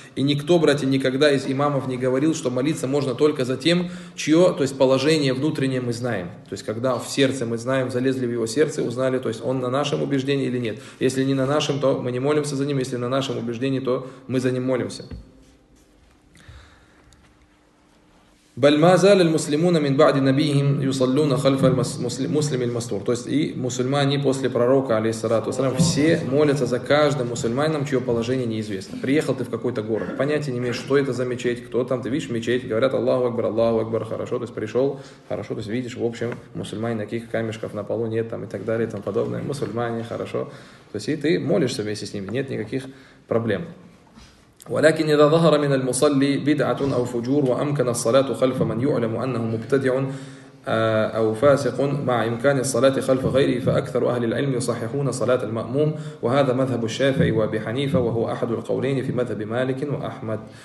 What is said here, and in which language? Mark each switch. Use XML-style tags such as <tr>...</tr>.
<ru>И никто, братья, никогда из имамов не говорил, что молиться можно только за тем, чье, то есть положение внутреннее мы знаем. То есть когда в сердце мы знаем, залезли в его сердце, узнали, то есть он на нашем убеждении или нет. Если не на нашем, то мы не молимся за ним, если на нашем убеждении, то мы за ним молимся.</ru> <ar>بل ما زال المسلمون من بعد نبيهم يصلون خلف المسلم المستور.</ar> <ru>То есть и мусульмане после пророка, алейхиссалату вассалям, все молятся за каждым мусульманином, чье положение неизвестно. Приехал ты в какой-то город, понятия не имеешь, что это за мечеть, кто там, ты видишь мечеть, говорят Аллаху Акбар, Аллаху Акбар, хорошо, то есть пришел, хорошо, то есть видишь, в общем, мусульмане, никаких камешков на полу нет там и так далее и тому подобное, мусульмане, хорошо. То есть и ты молишься вместе с ними, нет никаких проблем.</ru> <ar>ولكن إذا ظهر من المصلي بدعة أو فجور وأمكن الصلاة خلف من يعلم أنه مبتدع أو فاسق مع إمكان الصلاة خلف غيره فأكثر أهل العلم يصححون صلاة المأموم وهذا مذهب الشافعي وأبي حنيفة وهو أحد القولين في مذهب مالك وأحمد.</ar>